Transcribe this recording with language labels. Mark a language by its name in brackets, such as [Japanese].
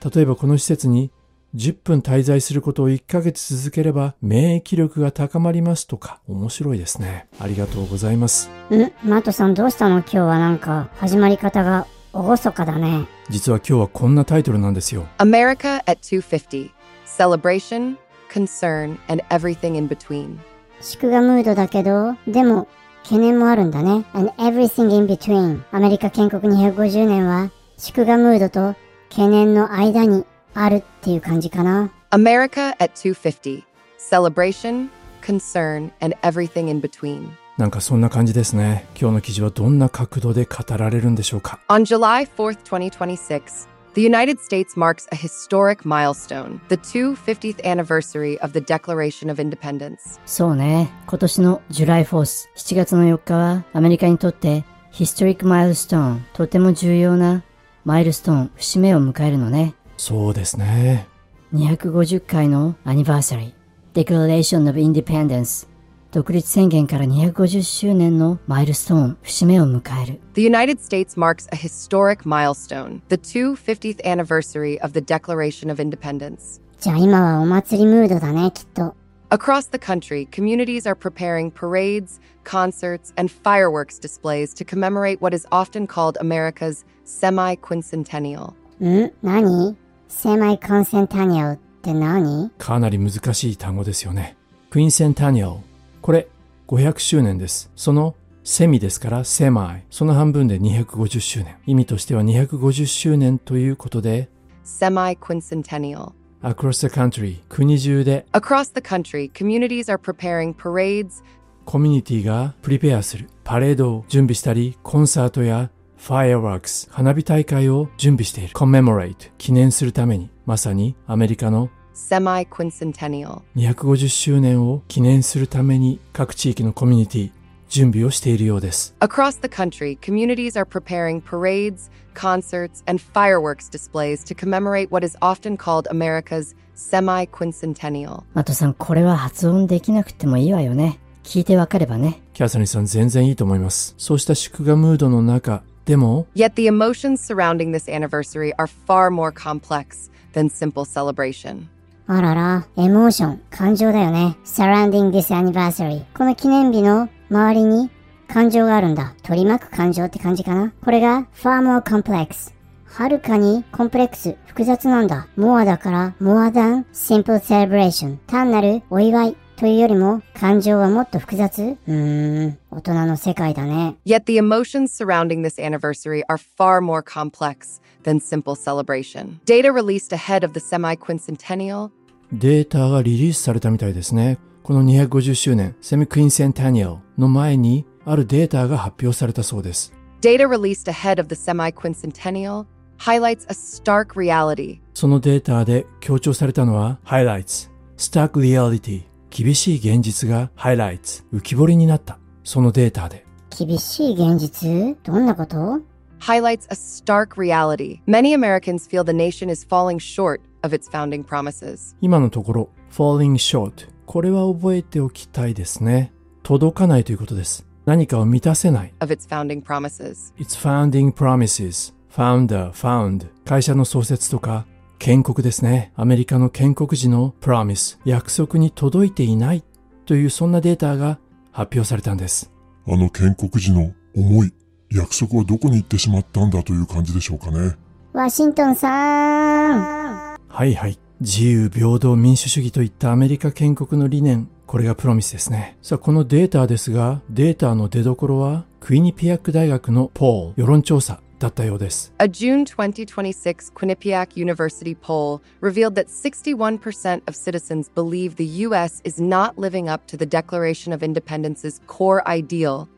[Japanese] 例えばこの施設に10分滞在することを1ヶ月続ければ免疫力が高まりますとか。面白いですね。ありがとうございます。マトさんどうしたの？今日はなんか始まり方がおごそかだね。実は今日はこんなタイトルなんですよ。 [English] America at 250 Celebrationconcern and everything in between. [Japanese] 祝賀ムードだけど、でも懸念もあるんだね。 [English] and everything in between. [Japanese] アメリカ建国250年は祝賀ムードと懸念の間にあるっていう感じかな。 [English] America at 250. Celebration, concern and everything in between. [Japanese] なんかそんな感じですね。今日の記事はどんな角度で語られるんでしょうか。 [English] On July 4th, 2026,The United States marks a historic milestone, the 250th anniversary of the Declaration of Independence. [Japanese] そうね。今年の July 4th、7月の4日はアメリカにとって [English] historic milestone、 [Japanese] とても重要なマイルストーン、節目を迎えるのね。そうですね。 250回のアニバーサリー、Declaration of Independence。独立宣言から250周年のマイルストーン、節目を迎える。 [English] The United States marks a historic milestone, the 250th anniversary of the Declaration of Independence. [Japanese] じゃあ今はお祭りムードだね、きっと。 [English] Across the country, communities are preparing parades, concerts, and fireworks displays to commemorate what is often called America's semi-quincentennial. [Japanese] ん？何？ Semi-quincentennial って何？かなり難しい単語ですよね。 Quincentennial。 これ500周年です。そのセミですから、セマイ。その半分で250周年。意味としては250周年ということで、セミ・クインセンテニアル。 [English] Across the country、国中で、 Across the country、communities are preparing parades。 [Japanese] コミュニティがプリペアする。パレードを準備したり、コンサートや、fireworks、花火大会を準備している。 commemorate、記念するために、まさにアメリカの [English] Semi-quincentennial. [Japanese] 250周年を記念するために各地域のコミュニティ、準備をしているようです。 [English] Across the country, communities are preparing parades, concerts, and fireworks displays to commemorate what is often called America's semi-quincentennial. [Japanese] マトさん、これは発音できなくてもいいわよね。聞いてわかればね。キャサリンさん、全然いいと思います。そうした祝賀ムードの中、でも、 [English] Yet the emotions surrounding this anniversary are far more complex than simple celebration. [Japanese] あらら、エモーション、感情だよね。 [English] Surrounding this anniversary. [Japanese] この記念日の周りに感情があるんだ。取り巻く感情って感じかな。これが [English] far more complex。 [Japanese] はるかにコンプレックス、複雑なんだ。 [English] more だから more than simple celebration。 [Japanese] 単なるお祝いというよりも感情はもっと複雑？大人の世界だね。 [English] Yet the emotions surrounding this anniversary are far more complex. than simple celebration. Data released ahead of the semi-quincentennial. [Japanese] データがリリースされたみたいですね。この250周年、semi-quincentennial の前にあるデータが発表されたそうです。 [English] Data released ahead of the semi-quincentennial highlights a stark reality. [Japanese] そのデータで強調されたのは、 [English] highlights, stark reality, [Japanese] 厳しい現実が highlights, 浮き彫りになった。そのデータで。厳しい現実？どんなこと？ [English] Highlights a stark reality. Many Americans feel the nation is falling short of its founding promises. [Japanese] 今のところ、 [English] falling short. [Japanese] これは覚えておきたいですね。届かないということです。何かを満たせない。 [English] Of its founding promises. Its founding promises. Founder, found. [Japanese] 会社の創設とか、建国ですね。アメリカの建国時の promise。約束に届いていない。というそんなデータが発表されたんです。あの建国時の思い。約束はどこに行ってしまったんだという感じでしょうかね。ワシントンさーん。はいはい。自由、平等、民主主義といったアメリカ建国の理念、これがプロミスですね。さあ、このデータですが、データの出どころはクイニピアック大学のポール、世論調査だったようです。 [English] A June 2026 Quinnipiac University poll revealed that 61% of citizens believe the U.S. is not living up to the Declaration of Independence's core ideal.